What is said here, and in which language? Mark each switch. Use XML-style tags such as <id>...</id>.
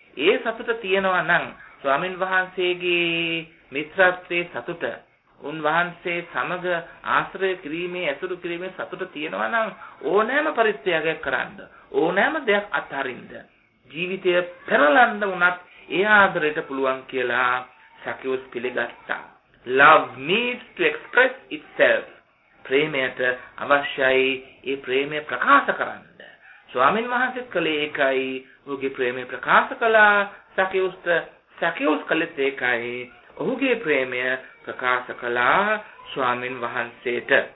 <si>ඒ සතුට තියෙනවා නම් ස්වාමින් වහන්සේගේ මිත්‍රත්වයේ සතුට, උන්වහන්සේ සමග ආශ්‍රය කිරීමේ, ඇසුරු කිරීමේ සතුට තියෙනවා නම් ඕනෑම පරිත්‍යාගයක් කරන්න, ඕනෑම දෙයක් අත්හරින්න, ජීවිතය පෙරලන්න වුණත් ඒ ආදරයට පුළුවන් කියලා සැකෙවුස් පිළිගත්තා.</si> <en>Love needs to express itself.</en> <si>ප්‍රේමයට අවශ්‍යයි ඒ ප්‍රේමය ප්‍රකාශ කරන්න. ස්වාමීන් වහන්සේත් කළේ ඒකයි. ඔහුගේ ප්‍රේමය ප්‍රකාශ කළා සැකෙවුස්ට, සැකෙවුස් කළේත් ඒකයි. ඔහුගේ ප්‍රේමය ප්‍රකාශ කළා ස්වාමීන් වහන්සේට.</si>